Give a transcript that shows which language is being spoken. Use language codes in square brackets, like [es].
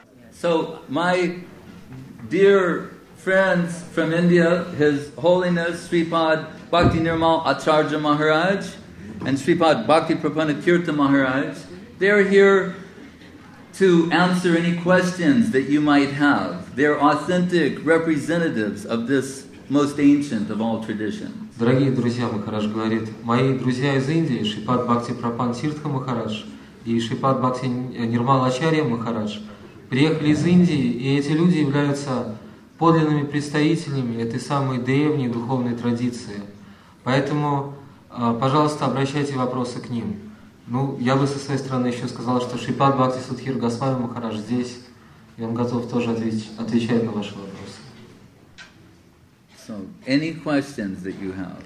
[en] So, my dear friends from India, His Holiness Sripad Bhakti Nirmal Acharya Maharaj and Sripad Bhakti Prapanna Kirtha Maharaj, they're here to answer any questions that you might have. They're authentic representatives of this most ancient of all traditions. [ru] Дорогие друзья, Махарадж говорит, мои друзья из Индии, Шрипад Бхакти Прапан Тиртха Махарадж и Шрипад Бхакти Нирмал Ачарья Махарадж приехали из Индии, и эти люди являются подлинными представителями этой самой древней духовной традиции. Поэтому, пожалуйста, обращайте вопросы к ним. Ну, я бы со своей стороны еще сказал, что Шрипад Бхакти Судхир Госвами Махарадж здесь, и он готов тоже отвечать на ваши вопросы. [en] So, any questions that you have?